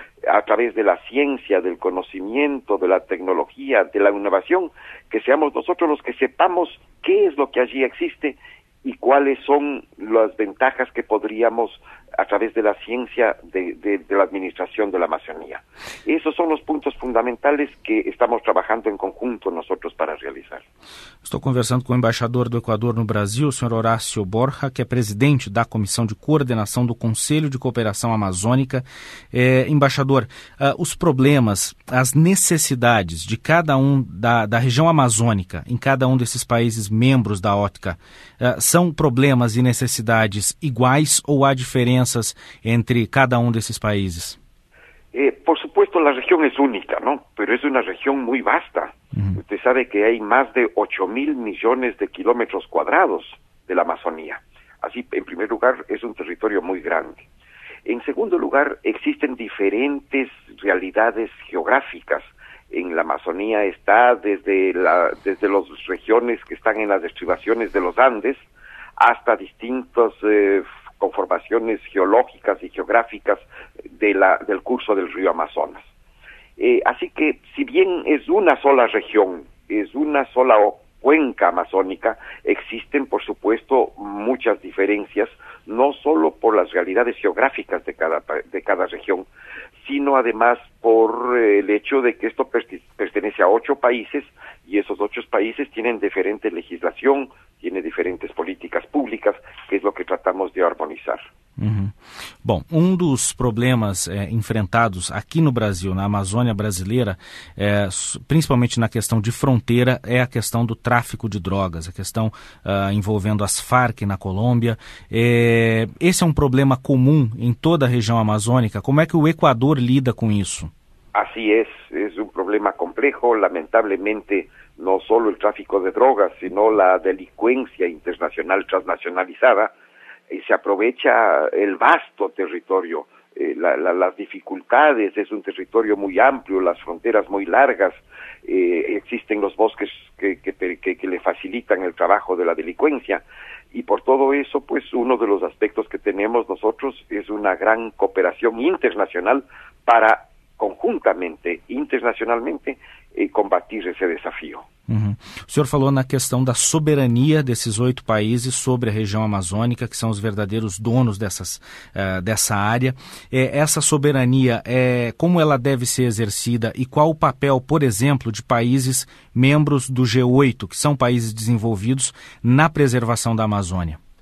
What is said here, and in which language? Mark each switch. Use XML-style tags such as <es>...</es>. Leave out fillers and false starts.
<es>a través de la ciencia, del conocimiento, de la tecnología, de la innovación, que seamos nosotros los que sepamos qué es lo que allí existe y cuáles son las ventajas que podríamos, a través de la ciencia, de la administración de la Amazonía. Esos son los puntos fundamentales que estamos trabajando en conjunto nosotros para realizar.</es> <pt>Estou conversando com o embaixador do Equador no Brasil, o senhor Horácio Borja, que é presidente da Comissão de Coordenação do Conselho de Cooperação Amazônica. Embaixador, os problemas, as necessidades de cada um da região amazônica, em cada um desses países membros da OTCA, são problemas e necessidades iguais ou há diferenças entre cada um desses países?</pt> <es>Por supuesto, la región es única, ¿no? Pero es una región muy vasta. Uh-huh. Usted sabe que hay más de 8 mil millones de kilómetros cuadrados de la Amazonía. Así, en primer lugar, es un territorio muy grande. En segundo lugar, existen diferentes realidades geográficas. En la Amazonía está desde las regiones que están en las estribaciones de los Andes hasta distintos conformaciones geológicas y geográficas del curso del río Amazonas. Así que, si bien es una sola región, es una sola cuenca amazónica, existen, por supuesto, muchas diferencias, no solo por las realidades geográficas de cada región, sino además por el hecho de que esto pertenece a 8 países, y esos 8 países tienen diferente legislación, tiene diferentes políticas públicas, que es lo que tratamos de armonizar. Uhum.</es> <pt>Bom, um dos problemas enfrentados aqui no Brasil, na Amazônia brasileira, principalmente na questão de fronteira, é a questão do tráfico de drogas, a questão envolvendo as Farc na Colômbia. Esse é um problema comum em toda a região amazônica. Como é que o Equador lida com isso? Assim é, é um problema complexo, lamentavelmente.</pt> <es>No solo el tráfico de drogas, sino la delincuencia internacional transnacionalizada, se aprovecha el vasto territorio, las dificultades, es un territorio muy amplio, las fronteras muy largas, existen los bosques que le facilitan el trabajo de la delincuencia, y por todo eso, pues uno de los aspectos que tenemos nosotros es una gran cooperación internacional para conjuntamente, internacionalmente, combatir</es> <pt>esse desafio. Uhum. O senhor falou na questão da soberania desses 8 países sobre a região amazônica, que são os verdadeiros donos dessa área. Essa soberania, como ela deve ser exercida e qual o papel, por exemplo, de países membros do G8, que são países desenvolvidos, na preservação da Amazônia?</pt>